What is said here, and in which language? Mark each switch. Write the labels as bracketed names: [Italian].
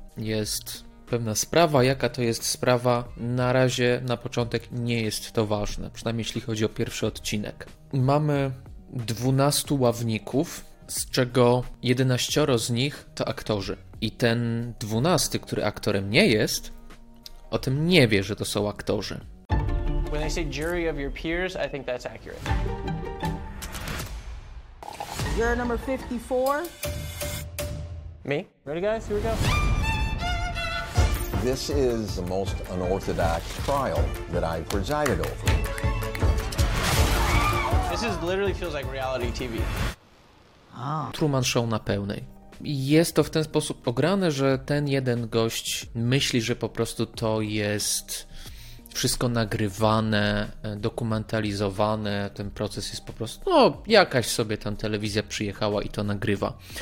[Polish] Jest pewna sprawa. Jaka to jest sprawa? Na razie, na początek, nie jest to ważne, przynajmniej jeśli chodzi o pierwszy odcinek. Mamy 12 ławników, z czego 11 z nich to aktorzy. I ten 12, który aktorem nie jest, o tym nie wie, że to są aktorzy. [English] When I say jury of your peers, I think that's accurate. You're number 54. Me? Ready, guys? Here we go. This is the most unorthodox trial that I've presided over. This is literally feels like reality TV. [Polish] Truman Show na pełnej. Jest to w ten sposób ograne, że ten jeden gość myśli, że po prostu to jest wszystko nagrywane, dokumentalizowane, ten proces jest po prostu, no jakaś sobie tam telewizja przyjechała i to nagrywa.